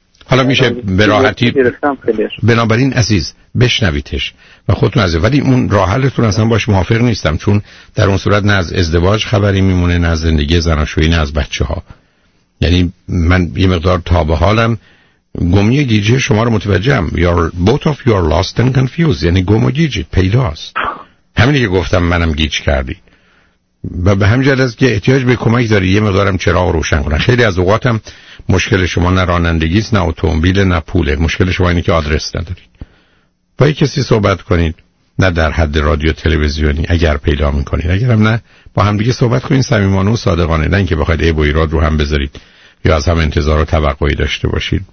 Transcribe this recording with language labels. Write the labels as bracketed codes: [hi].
[fa] حالا میشه به راحتی، بنابراین عزیز بشنویدش و خودتون عزیز، ولی اون راه حلتون اصلا باش موافق نیستم، چون در اون صورت نه از ازدواج خبری میمونه، نه از زندگی زناشویی، نه از بچه‌ها. یعنی من یه مقدار تا به حالم گمی گیجه شما رو متوجهم. [en] You're both of you are lost and confused. [fa] یعنی گم و گیجه پیداست. همینی که گفتم منم گیج کردی. و به همین جهت است که احتیاج به کمک داری، یه مقدارم چراغ روشن کنن. خیلی از اوقاتم مشکل شما نه رانندگی است، نه اتومبیل، نه پوله. مشکل شما اینه که آدرس نداری. با یک کسی صحبت کنید، نه در حد رادیو تلویزیونی اگر پیدا میکنید، اگرم نه با هم دیگه صحبت کنید صمیمانه و صادقانه، نه اینکه بخواید عیب و ایراد رو هم بذارید یا از هم انتظار و توقعی داشته باشید.